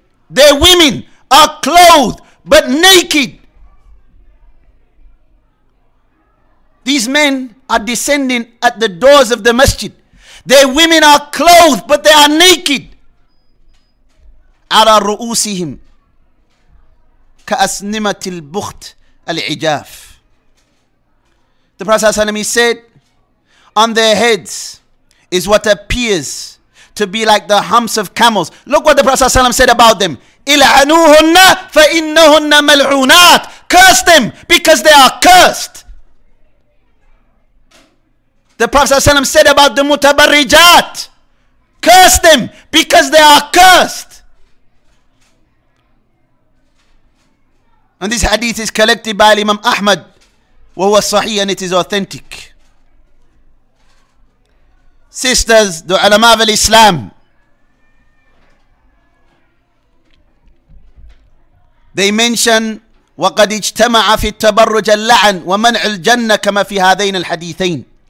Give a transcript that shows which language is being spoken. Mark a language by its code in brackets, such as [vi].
[en] Their women are clothed but naked. These men are descending at the doors of the masjid. Their women are clothed but they are naked. [ar] على رؤوسهم كأسنمة البخت العجاف. [en] The Prophet ﷺ, he said, on their heads is what appears to be like the humps of camels. Look what the Prophet ﷺ said about them. [ar] إِلْعَنُوهُنَّ فَإِنَّهُنَّ مَلْعُونَاتِ. [en] Curse them because they are cursed. The Prophet ﷺ said about the mutabarrijat, curse them because they are cursed. And this hadith is collected by Imam Ahmad, [ar] وَهُوَ صَحِيحٌ, [en] and it is authentic. Sisters, the ulama of Islam, they mention [ar] وَقَدْ اجْتَمَعَ فِي التَّبَرُّجَ اللَّعَنِ وَمَنْعُ الْجَنَّةِ كَمَا فِي هَذَيْنَ الْحَدِيثَيْنِ.